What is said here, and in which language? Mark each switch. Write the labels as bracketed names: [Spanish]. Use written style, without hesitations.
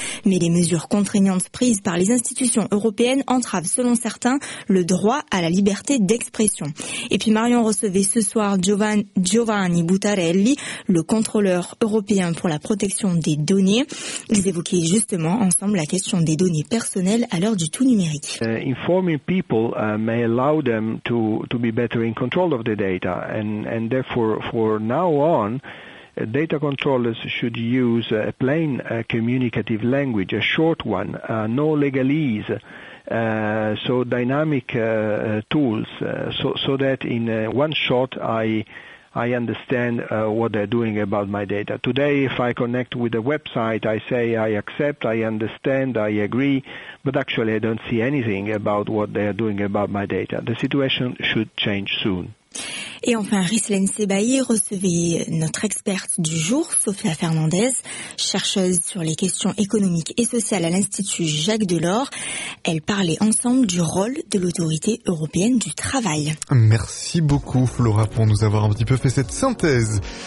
[French] Mais les mesures contraignantes prises par les institutions européennes entravent, selon certains, le droit à la liberté d'expression. Et puis Marion recevait ce soir Giovanni Buttarelli, le contrôleur européen pour la protection des données. Ils évoquaient justement ensemble la question des données personnelles à l'heure du tout numérique. [English] Informing people may allow them to be better in control of the data. And therefore, for now on, data controllers should use a plain communicative language, a short one, no legalese, so dynamic tools, so that in one shot I understand what they're doing about my data. Today, if I connect with a website, I say I accept, I understand, I agree, but actually I don't see anything about what they are doing about my data. The situation should change soon. [French] Et enfin, Ryslaine Sebaï recevait notre experte du jour, Sophia Fernandez, chercheuse sur les questions économiques et sociales à l'Institut Jacques Delors. Elle parlait ensemble du rôle de l'Autorité européenne du travail. Merci beaucoup, Flora, pour nous avoir un petit peu fait cette synthèse.